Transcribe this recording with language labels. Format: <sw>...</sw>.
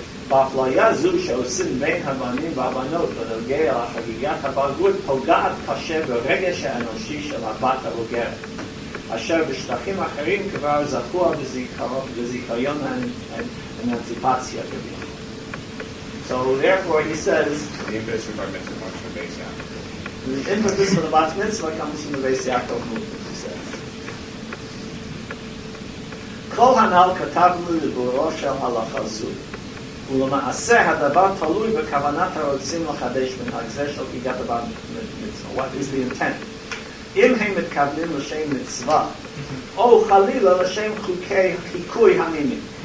<he>באפליה זו שעושים בין הבנים והבנות בנוגע לחגיגת הבגרות פוגעת קשה ברגש האנושי של הבת הבוגרת, אשר בשטחים אחרים כבר זכו בזיכיון האמנציפציה כביכול.</he> <en>So therefore he says, the impetus of our mitzvah comes from Beis Yaakov. The impetus of the Bat Mitzvah comes from the Beis Yaakov movement, he says.</en> <he>כל הנ"ל כתבנו לדיבורו של הלכה זו, ולמעשה הדבר תלוי בכוונת הרוצים לחדש מנהג זה של חגיגת הבת מצווה.</he> <en>What is the intent?</en> <he>אם הם מתכוונים לשם מצווה, או חלילה לשם חוקי חיקוי המינים.</he>